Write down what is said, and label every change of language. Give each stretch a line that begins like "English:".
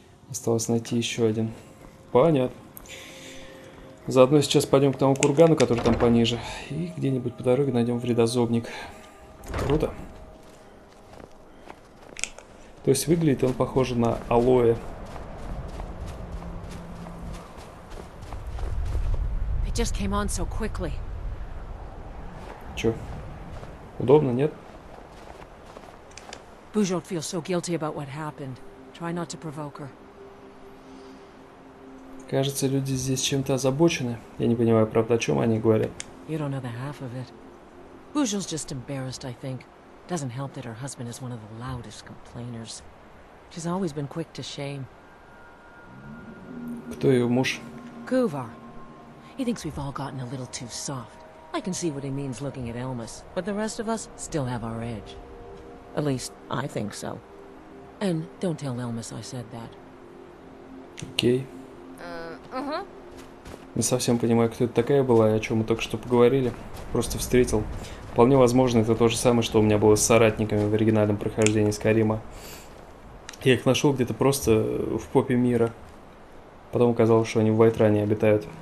Russian: Осталось найти еще один. Понятно. Заодно сейчас пойдем к тому кургану, который там пониже. И где-нибудь по дороге найдем вредозобник. Круто. То есть выглядит он похоже на алоэ.
English: It just came on so quickly.
Russian: Чё? Удобно, нет?
English: Bujold feels so guilty about what happened. Try not to provoke her.
Russian: Кажется, люди здесь чем-то озабочены. Я не понимаю, правда, о чем они говорят.
English: You don't know the half of it. Bujold's just embarrassed, I think. Doesn't help that her husband is one of the loudest complainers. She's always been quick to shame.
Russian: Кто ее муж? Кувар.
English: He thinks we've all gotten a little too soft. I can see what he means looking at Elmas, but the rest of us still have our edge. At least, I think so. And don't tell Elmas I said that.
Russian: Окей. Не совсем понимаю, кто это такая была и о чем мы только что поговорили. Просто встретил. Вполне возможно, это то же самое, что у меня было с соратниками в оригинальном прохождении Скайрима. Я их нашел где-то просто в попе мира. Потом оказалось, что они в Вайтране обитают.